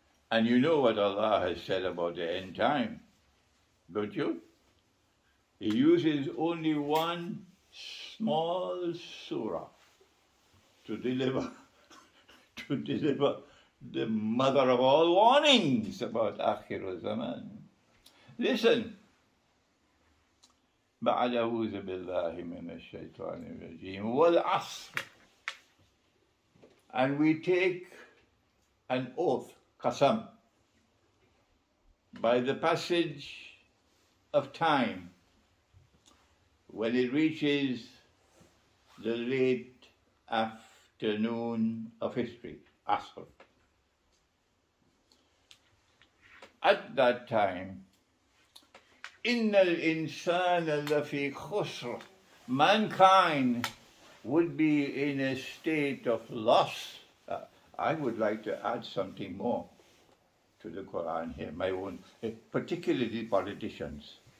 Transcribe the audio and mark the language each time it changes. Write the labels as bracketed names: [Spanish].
[English] And you know what Allah has said about the end time, don't you? He uses only one small surah to deliver the mother of all warnings about Akhiru Zaman. Listen. [Arabic] بعد أعوذ بالله من الشيطان الرجيم والعصر. [English] And we take an oath, qasam, by the passage of time, when it reaches the late afternoon of history, asr. At that time, [Arabic] إِنَّ الْإِنسَانَ لَفِي خُسْرٍ. [English] Mankind would be in a state of loss. I would like to add something more to the Quran here, my own, particularly the politicians.